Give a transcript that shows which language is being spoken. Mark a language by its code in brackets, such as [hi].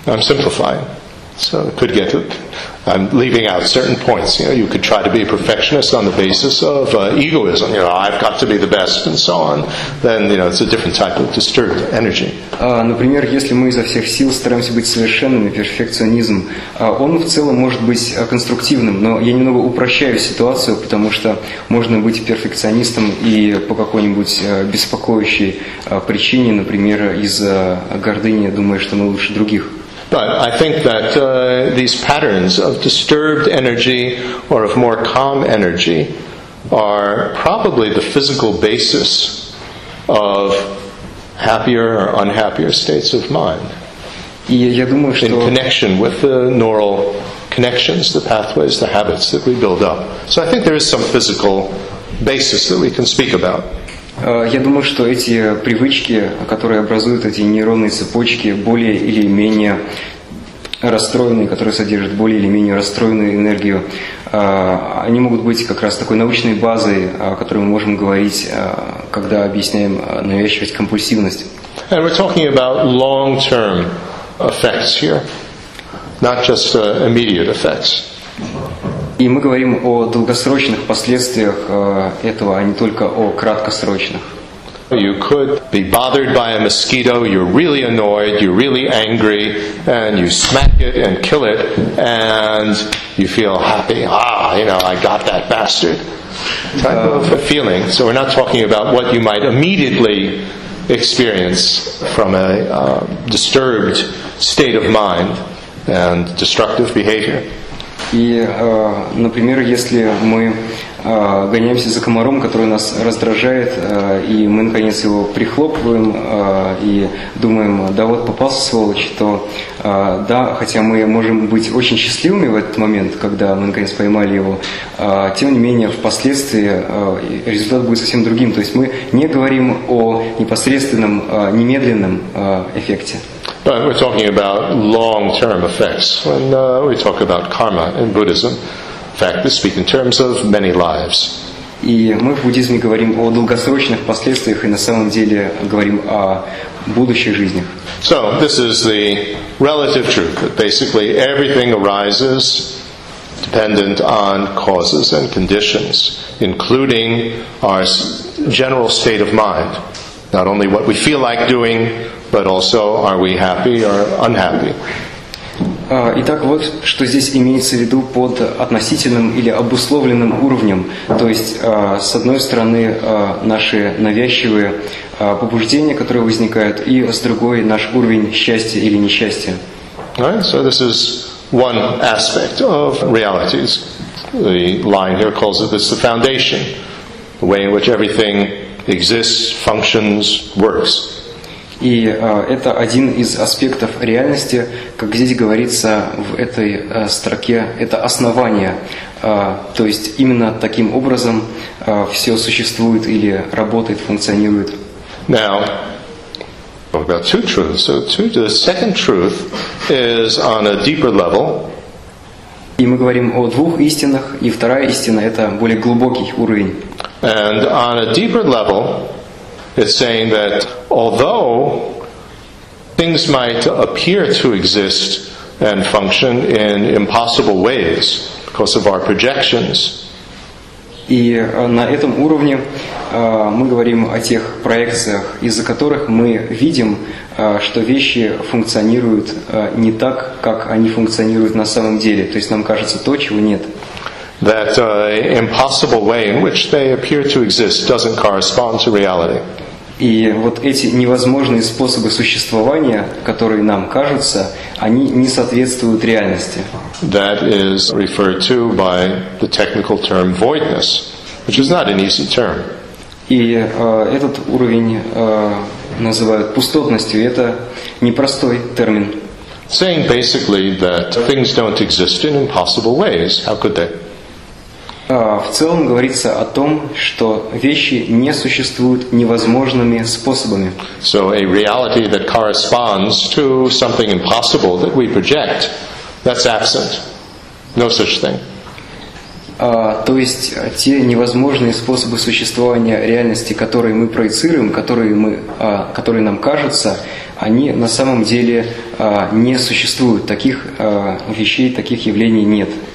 [en] I'm simplifying. So I could get it. I'm leaving out certain points. You know, you could try to be a perfectionist on the basis of egoism. You know, I've got to be the best, and so on. Then, you know, it's a different type of disturbed energy. [ru] Например, если мы изо всех сил стараемся быть совершенными, перфекционизм, он в целом может быть конструктивным. Но я немного упрощаю ситуацию, потому что можно быть перфекционистом и по какой-нибудь беспокоящей причине, например, из-за гордыни, думая, что мы лучше других. [en] But I think that these patterns of disturbed energy or of more calm energy are probably the physical basis of happier or unhappier states of mind. [ru] Я думаю, что [en] in connection with the neural connections, the pathways, the habits that we build up. So I think there is some physical basis that we can speak about. [ru] Я думаю, что эти привычки, которые образуют эти нейронные цепочки, более или менее расстроенные, которые содержат более или менее расстроенную энергию, они могут быть как раз такой научной базой, о которой мы можем говорить, когда объясняем навязчивость, компульсивность. [en] And we're talking about long-term effects here, not just immediate effects. [ru] И мы говорим о долгосрочных последствиях этого, а не только о краткосрочных. [en] You could be bothered by a mosquito, you're really annoyed, you're really angry, and you smack it and kill it, and you feel happy. Ah, you know, I got that bastard. Type of a feeling. So we're not talking about what you might immediately experience from a disturbed state of mind and destructive behavior. [ru] И, например, если мы гоняемся за комаром, который нас раздражает, и мы, наконец, его прихлопываем и думаем, да вот попался, сволочь, то да, хотя мы можем быть очень счастливыми в этот момент, когда мы, наконец, поймали его, тем не менее, впоследствии результат будет совсем другим. То есть мы не говорим о непосредственном, немедленном эффекте. [en] But we're talking about long-term effects when we talk about karma in Buddhism. In fact, we speak in terms of many lives. [ru] И мы в буддизме говорим о долгосрочных последствиях и на самом деле говорим о будущих жизнях. [en] So this is the relative truth that basically everything arises dependent on causes and conditions, including our general state of mind. Not only what we feel like doing, but also are we happy or unhappy. [ru] Итак, вот что здесь имеется в виду под относительным или обусловленным уровнем. То есть, с одной стороны, наши навязчивые побуждения, которые возникают, и с другой, наш уровень счастья или несчастья. [en] Right, so this is one aspect of reality. The line here calls it this the foundation, the way in which everything exists, functions, works. [ru] И это один из аспектов реальности, как здесь говорится в этой строке, это основание. То есть именно таким образом все существует или работает, функционирует. [en] Now, we've got two truths. So the second truth is on a deeper level. [ru] И мы говорим о двух истинах, и вторая истина – это более глубокий уровень. [en] And on a deeper level, it's saying that although things might appear to exist and function in impossible ways because of our projections. [ru] И на этом уровне мы говорим о тех проекциях, из-за которых мы видим, что вещи функционируют не так, как они функционируют на самом деле. То есть нам кажется то, чего нет. [en] That impossible way in which they appear to exist doesn't correspond to reality. [ru] И вот эти невозможные способы существования, которые нам кажутся, они не соответствуют реальности. [en] That is referred to by the technical term voidness, which is not an easy term. [ru] И этот уровень называют пустотностью, и это непростой термин. [en] Saying basically that things don't exist in impossible ways, how could they? [ru] В целом говорится о том, что вещи не существуют невозможными способами. [en] So a reality that corresponds to something impossible that we project, that's absent. No such thing. [ru] То есть те невозможные способы существования реальности, которые мы проецируем, которые нам кажутся, они на самом деле не существуют. Таких вещей, таких явлений нет.